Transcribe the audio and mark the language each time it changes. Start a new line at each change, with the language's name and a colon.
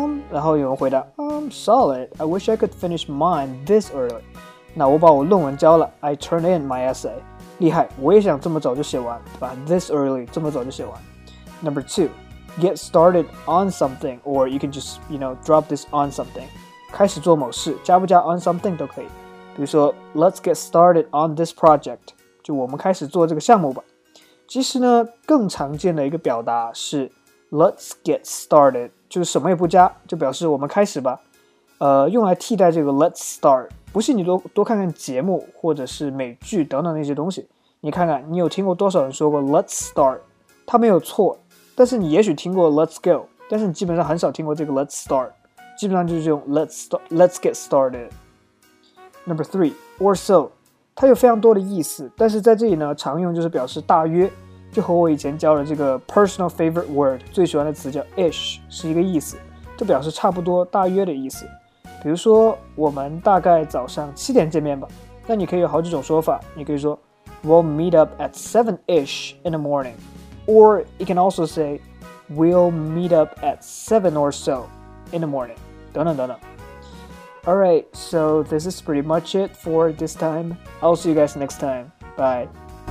Chinese: 然后有人回答 ，solid.
English: I wish I could finish mine this early.
Chinese: 那我把我论文交了 ，
English: I turned in my essay.
Chinese: 厉害，我也想这么早就写完，对吧 ？
English: This early，
Chinese: 这么早就写完。
English: Number two, get started on something, or you can just, you know, drop this on something.
Chinese: 开始做某事，加不加 on something 都可以。比如说
English: ，Let's get started on this project，
Chinese: 就我们开始做这个项目吧。其实呢，更常见的一个表达是
English: Let's get started，
Chinese: 就是什么也不加，就表示我们开始吧。用来替代这个 Let's start。不信你多看看节目或者是美剧等等那些东西，你看看你有听过多少人说过 let's start， 它没有错，但是你也许听过 let's go， 但是你基本上很少听过这个 let's start， 基本上就是用 let's get started。
English: Number three, or so，
Chinese: 它有非常多的意思，但是在这里呢常用就是表示大约，就和我以前教的这个
English: personal favorite word
Chinese: 最喜欢的词叫 ish 是一个意思，就表示差不多大约的意思。比如说我们大概早上七点见面吧，那你可以有好几种说法，你可以说
English: We'll meet up at 7-ish in the morning. Or you can also say We'll meet up at 7 or so in the morning.
Chinese: 等等等等。
English: Alright, so this is pretty much it for this time. I'll see you guys next time. Bye.